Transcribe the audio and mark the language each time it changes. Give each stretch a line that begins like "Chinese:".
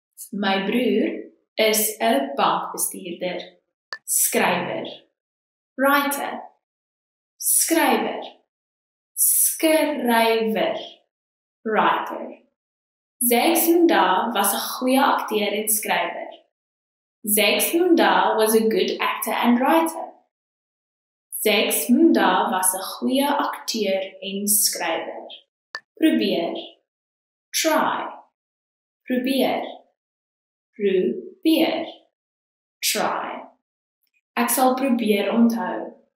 Afrikaans: My broer is 'n bankbestuurder. Skrywer. Writer. Skrywer. Skrywer. Writer. Zack Snyder was 'n goeie akteur en skrywer.
English: Zack Snyder was a good actor and writer.
Afrikaans: Zack Snyder was 'n goeie akteur en skrywer. Probeer. Try. Probeer. Probeer. Try. Ek sal probeer onthou.